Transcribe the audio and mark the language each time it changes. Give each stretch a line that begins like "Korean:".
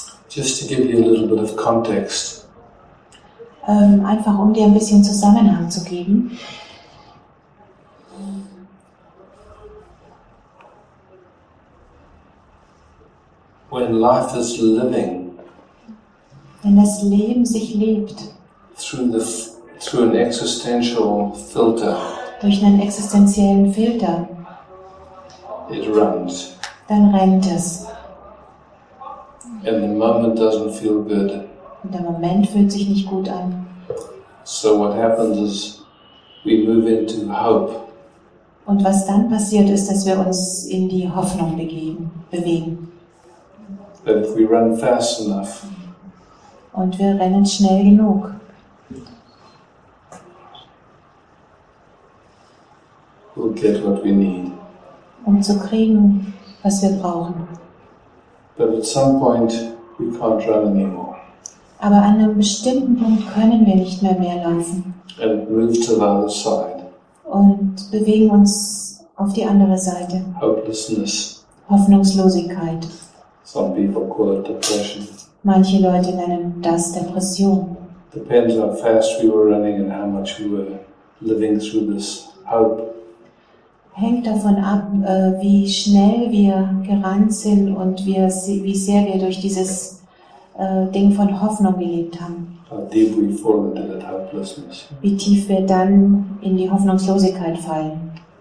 English: Just to give you a little bit of context.
German: Einfach um dir ein bisschen Zusammenhang zu geben.
English: When life is living,
German: wenn das Leben sich lebt,
English: through an existential filter,
German: durch einen existenziellen Filter,
English: it runs.
German: Dann rennt es.
English: And the moment doesn't feel good.
German: Und der Moment fühlt sich nicht gut an.
English: So what happens is we move into hope.
German: Und was dann passiert ist, dass wir uns in die Hoffnung bewegen.
English: But if we run fast enough.
German: Und wir rennen schnell genug.
English: We'll get what we need.
German: Um zu kriegen, was wir brauchen.
English: But at some point we can't run anymore.
German: Aber an einem bestimmten Punkt können wir nicht mehr laufen.
English: And move to the other side.
German: Und bewegen uns auf die andere Seite.
English: Hopelessness.
German: Hoffnungslosigkeit.
English: Some people call it depression.
German: Manche Leute nennen das Depression.
English: Depends on how fast we were running and how much we were living through this hope.
German: Hängt davon ab, wie schnell wir gerannt sind und wie sehr wir durch dieses Ding von Hoffnung gelebt haben. Wie tief wir dann in die Hoffnungslosigkeit fallen.